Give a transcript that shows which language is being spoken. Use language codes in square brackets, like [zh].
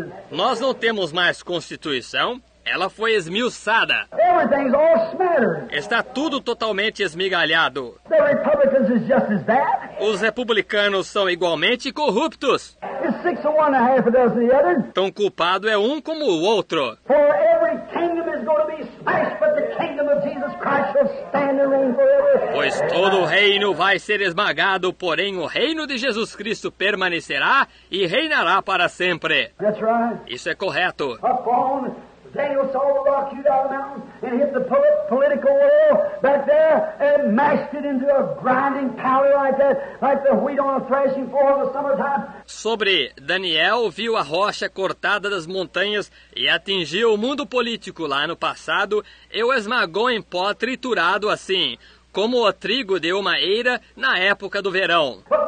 [pt] Nós não temos mais Constituição. Ela foi esmiuçada. [en] Everything's all smattered. [pt] Está tudo totalmente esmigalhado. [en] The Republicans is just as bad. [pt] Os republicanos são igualmente corruptos. [en] It's 6 of 1 and 1/2 of the other. [pt] Tão culpado é um como o outro. [en] For every kingdom is going to be smashed, but the kingdom of Jesus Christ shall stand and reign forever. [pt] Pois todo o reino vai ser esmagado, porém o reino de Jesus Cristo permanecerá e reinará para sempre. [en] That's right. [pt] Isso é correto. [en] Upon Daniel saw the rock hewed out of the mountain and hit the political world back there and mashed it into a grinding powder like that, like the wheat on a threshing floor in the summertime. [pt] Sobre Daniel viu a rocha cortada das montanhas e atingiu o mundo político lá no passado e o esmagou em pó triturado assim, como o trigo de uma eira na época do verão.